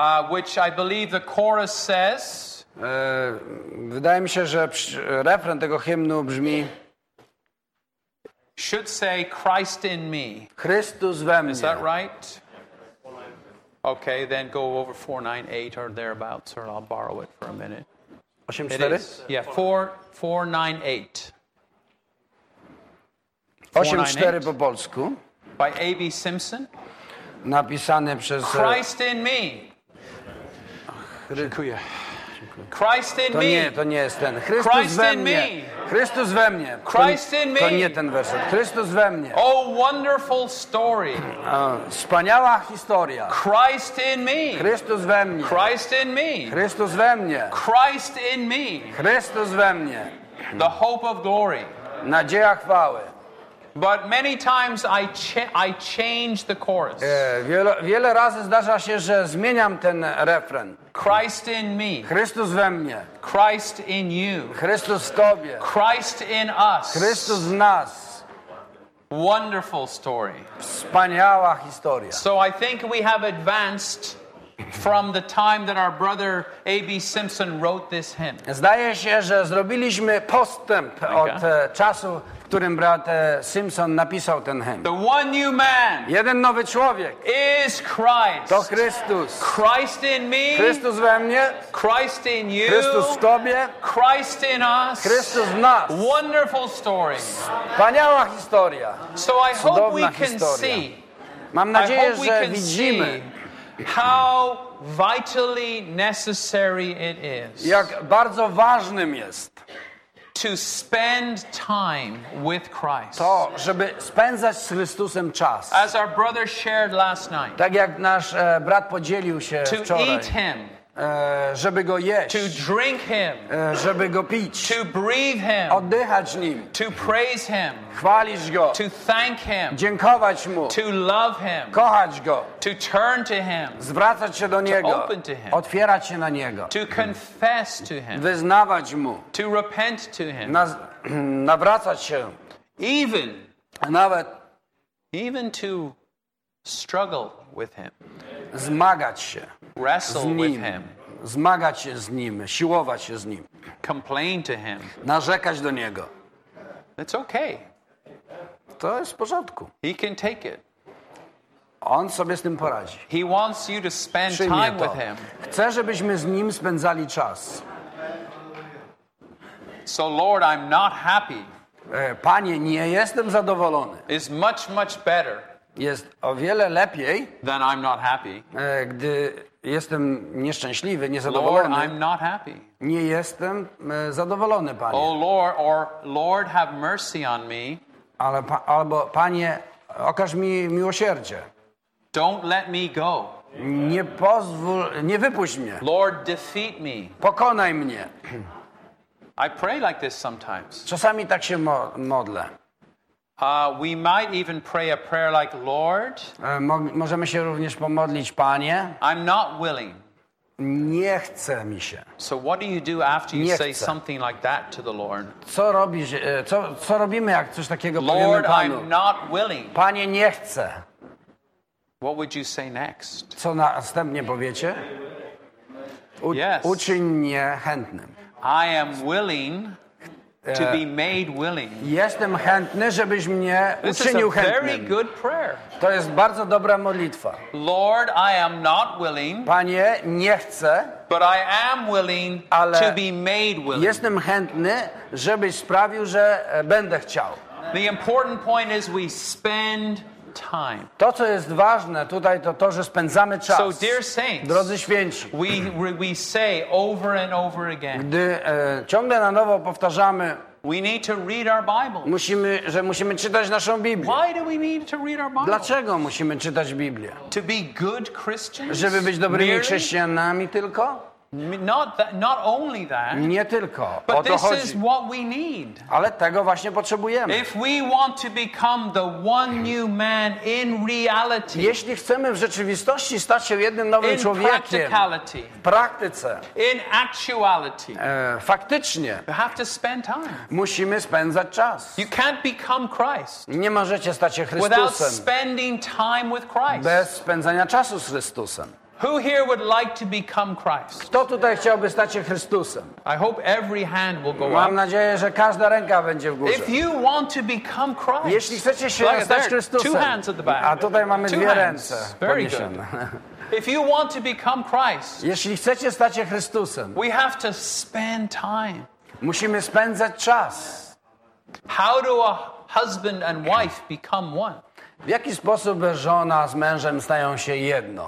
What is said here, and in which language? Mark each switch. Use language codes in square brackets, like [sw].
[en] Which I believe the chorus says. [pl] Wydaje mi się, że refren tego hymnu brzmi [en] should say Christ in me. [pl] Chrystus we mnie. [en] Is that right? Okay, then go over 498 or thereabouts or I'll borrow it for a minute. 84? Yeah, 498. [pl] 84 po polsku. [en] By A.B. Simpson. [pl] Napisane przez [en] Christ in me. [pl] Dziękuję. [en] Christ in me. [pl] To nie jest ten. Chrystus we mnie. Chrystus we mnie. [en] Christ in me. [pl] To nie ten werset. Chrystus we mnie. [en] Oh, wonderful story. [pl] Wspaniała historia. [en] Christ in me. [pl] Chrystus we mnie. [en] Christ in me. [pl] Chrystus we mnie. [en] Christ in me. [pl] Chrystus we mnie. [en] The hope of glory. [pl] Nadzieja chwały. [en] But many times I change the chorus. [pl] Wiele razy zdarza się, że zmieniam ten refren. [en] Christ in me. [pl] Chrystus we mnie. [en] Christ in you. [pl] Chrystus w tobie. [en] Christ in us. [pl] Chrystus w nas. [en] Wonderful story. [pl] Wspaniała historia. [en] So I think we have advanced from the time that our brother A.B. Simpson wrote this hymn. [pl] Zdaje się, że zrobiliśmy postęp od czasu, w którym brat Simpson napisał ten hymn. [en] The one new man. [pl] Jeden nowy człowiek. [en] Is Christ. [pl] To Chrystus. [en] Christ in me. [pl] Chrystus we mnie. [en] Christ in you. [pl] Chrystus w tobie. [en] Christ in us. [pl] Chrystus w nas. [en] Wonderful story. [pl] Wspaniała historia. [en] So I hope we can see. [pl] Mam nadzieję, że widzimy. [en] How vitally necessary it is. [pl] Jak bardzo ważnym jest. [en] To spend time with Christ. [pl] To, żeby spędzać z Chrystusem czas. [en] As our brother shared last night. [pl] Tak jak nasz brat podzielił się [en] to [pl] wczoraj. [en] To eat him. [pl] Żeby go jeść. [en] To drink him. [pl] Żeby go pić. [en] To breathe him. [pl] Oddychać nim. [en] To praise him. [pl] Chwalić go. [en] To thank him. [pl] Dziękować mu. [en] To love him. [pl] Kochać go. [en] To turn to him. [pl] Zwracać się do niego. [en] To open to him. [pl] Otwierać się na niego. [en] To confess to him. [pl] Wyznawać mu. [en] To repent to him. [pl] Nawracać się. [en] Even. [pl] A nawet. [en] Even to struggle with him. [pl] Zmagać się. [en] Wrestle [pl] z nim, [en] with him. [pl] Zmagać się z nim, siłować się z nim. [en] Complain to him. [pl] Narzekać do niego. [en] It's okay. [pl] To jest w porządku. [en] He can take it. [pl] On sobie z tym poradzi. [en] He wants you to spend [pl] przyjmie [en] time to. With him. [pl] Chce, żebyśmy z nim spędzali czas. [en] So Lord, I'm not happy. [pl] Panie, nie jestem zadowolony. [en] It's much, much better. [pl] Jest o wiele lepiej, [en] then I'm not happy. [pl] Gdy jestem nieszczęśliwy, niezadowolony. [en] Lord, I'm not happy. [pl] Nie jestem zadowolony, Panie. [en] Oh Lord, or Lord, have mercy on me. [pl] Ale albo Panie, okaż mi miłosierdzie. [en] Don't let me go. [pl] Nie pozwól, nie wypuść mnie. [en] Lord, defeat me. [pl] Pokonaj mnie. [en] I pray like this sometimes. [pl] Czasami tak się modlę. [en] We might even pray a prayer like Lord. [pl] Możemy się również pomodlić, Panie. [en] I'm not willing. [pl] Nie chcę mi się. [en] So what do you do after you say something like that to the Lord? [pl] Co robisz, co robimy, jak coś takiego [en] Lord, [pl] powiemy Panu? [en] I'm not willing. [pl] Panie, nie chcę. [en] What would you say next? [pl] Co następnie powiecie? [en] Yes. [pl] Uczyń mnie chętnym. [en] I am willing. To be made willing. [pl] Jestem chętny, żebyś mnie uczynił chętnym. [en] This is a very good prayer. [pl] To jest bardzo dobra modlitwa. [en] Lord, I am not willing. [pl] Panie, nie chcę. [en] But I am willing to be made willing. [pl] Jestem chętny, żebyś sprawił, że będę chciał. [en] The important point is we spend time. [pl] To, co jest ważne tutaj, to to, że spędzamy czas. [en] So, dear saints, [pl] drodzy święci, [en] we say over and over again, [pl] gdy ciągle na nowo powtarzamy, [en] we need to read our Bibles. [pl] Musimy czytać naszą Biblię. [en] Why do we need to read our Bibles? [pl] Dlaczego musimy czytać Biblię? [en] To be good Christians? [pl] Żeby być dobrymi Mary? Chrześcijanami tylko? [en] Not only that. [pl] Nie tylko. [en] But [pl] o to [en] this [pl] chodzi. [en] Is what we need. [pl] Ale tego właśnie potrzebujemy. [en] If we want to become the one new man in reality. [pl] Jeśli chcemy w rzeczywistości stać się jednym nowym [en] in [pl] człowiekiem. [en] Practicality, [pl] w praktyce. [en] In actuality. [pl] Faktycznie. [en] You have to spend time. [pl] Musimy spędzać czas. [en] You can't become Christ. [pl] Nie możecie stać się Chrystusem. [en] Without spending time with Christ. [pl] Bez spędzania czasu z Chrystusem. [en] Who here would like to become Christ? [pl] Kto tutaj chciałby stać się Chrystusem? [en] I hope every hand will go up. [pl] Mam nadzieję, że każda ręka będzie w górze. [en] If you want to become Christ. [pl] Jeśli chcecie się stać Chrystusem. [en] Two hands at the back. [pl] A tutaj mamy [en] two [pl] dwie [en] hands. [pl] Ręce. [en] Very good. If you want to become Christ. [pl] Jeśli chcecie stać się Chrystusem. [en] We have to spend time. [pl] Musimy spędzać czas. [en] How do a husband and wife become one? [pl] W jaki sposób żona z mężem stają się jedno?